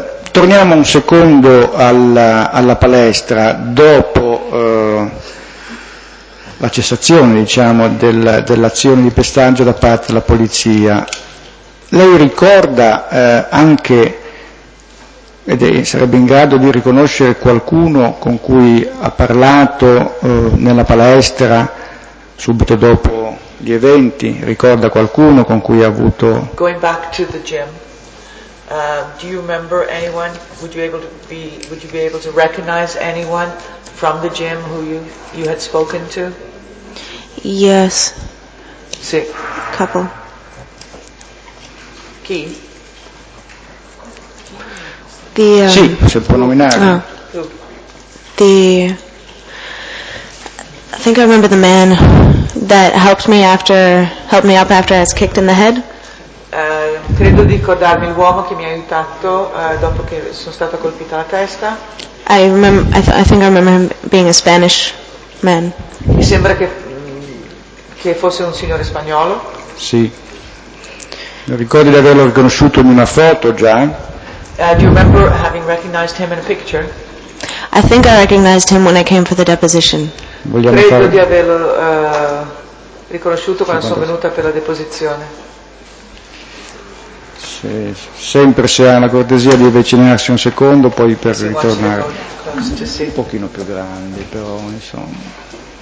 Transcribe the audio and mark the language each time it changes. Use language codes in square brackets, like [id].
[it] Torniamo un secondo alla palestra dopo la cessazione, diciamo, dell'azione di pestaggio da parte della polizia. Lei ricorda anche, ed sarebbe in grado di riconoscere qualcuno con cui ha parlato nella palestra subito dopo gli eventi? Ricorda qualcuno con cui ha avuto... [en] Going back to the gym, do you remember anyone? Would you be able to recognize anyone from the gym who you had spoken to? Yes. [it] Sì. [en] Couple. [it] Chi? Sì, se può nominare. Oh. [en] The I think I remember the man that helped me up after I was kicked in the head. [it] Credo di ricordarmi l'uomo che mi ha aiutato dopo che sono stata colpita la testa. [en] I think I remember him being a Spanish man. [it] Mi sembra che fosse un signore spagnolo. Sì. Ricordi di averlo riconosciuto in una foto già? [en] Do you remember having recognized him in a picture? I think I recognized him when I came for the deposition. [it] Vogliamo credo fare... di averlo riconosciuto quando sono venuta per la deposizione. Sì, sempre se ha la cortesia di avvicinarsi un secondo, poi per sì, ritornare [en] close, [it] un pochino più grandi, però insomma.